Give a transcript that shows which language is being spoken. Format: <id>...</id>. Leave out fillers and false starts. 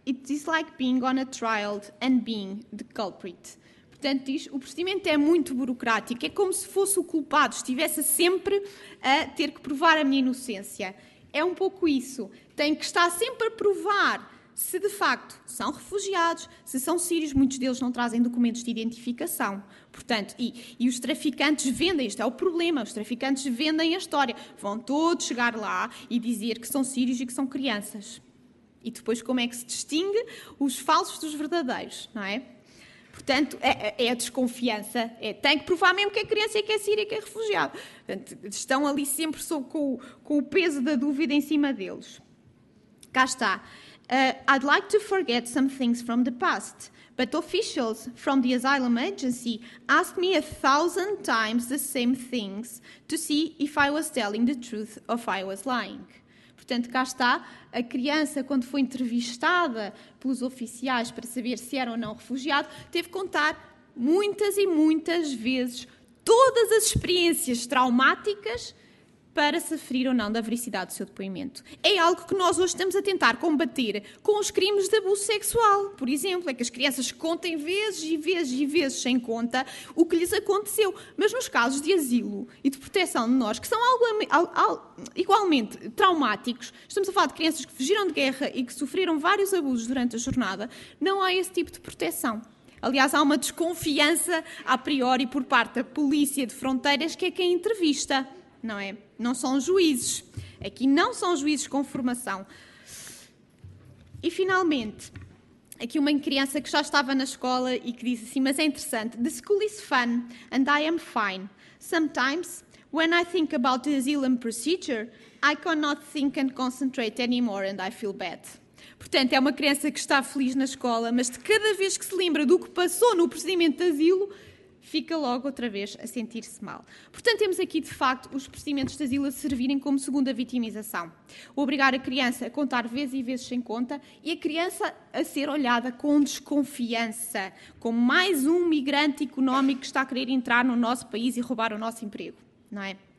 <en>It is like being on a trial and being the culprit.</en> <pt>Portanto, diz, o procedimento é muito burocrático. É como se fosse o culpado, estivesse sempre a ter que provar a minha inocência. É um pouco isso. Tem que estar sempre a provar se de facto são refugiados, se são sírios, muitos deles não trazem documentos de identificação. Portanto, e os traficantes vendem, isto é o problema, os traficantes vendem a história. Vão todos chegar lá e dizer que são sírios e que são crianças. E depois como é que se distingue os falsos dos verdadeiros, não é? Portanto, é a desconfiança. É, tem que provar mesmo que é criança, que é síria, que é refugiado. Portanto, estão ali sempre com o peso da dúvida em cima deles. Cá está.</pt> <en>I'd like to forget some things from the past, but officials from the asylum agency asked me 1,000 times the same things to see if I was telling the truth or if I was lying.</en> <pt>Portanto, cá está, a criança, quando foi entrevistada pelos oficiais para saber se era ou não refugiado, teve que contar muitas e muitas vezes todas as experiências traumáticas para se aferir ou não da veracidade do seu depoimento. É algo que nós hoje estamos a tentar combater com os crimes de abuso sexual, por exemplo, é que as crianças contem vezes e vezes e vezes sem conta o que lhes aconteceu. Mas nos casos de asilo e de proteção de menores, que são igualmente traumáticos, estamos a falar de crianças que fugiram de guerra e que sofreram vários abusos durante a jornada, não há esse tipo de proteção. Aliás, há uma desconfiança a priori por parte da polícia de fronteiras, que é quem entrevista. Não é? Não são juízes. Aqui não são juízes com formação. E, finalmente, aqui uma criança que já estava na escola e que disse assim, mas é interessante.</pt> <en>The school is fun and I am fine. Sometimes, when I think about the asylum procedure, I cannot think and concentrate anymore and I feel bad.</en> <pt>Portanto, é uma criança que está feliz na escola, mas de cada vez que se lembra do que passou no procedimento de asilo, fica logo outra vez a sentir-se mal. Portanto, temos aqui, de facto, os procedimentos de asilo a servirem como segunda vitimização. Obrigar a criança a contar vezes e vezes sem conta e a criança a ser olhada com desconfiança, como mais um migrante económico que está a querer entrar no nosso país e roubar o nosso emprego, não é?</pt>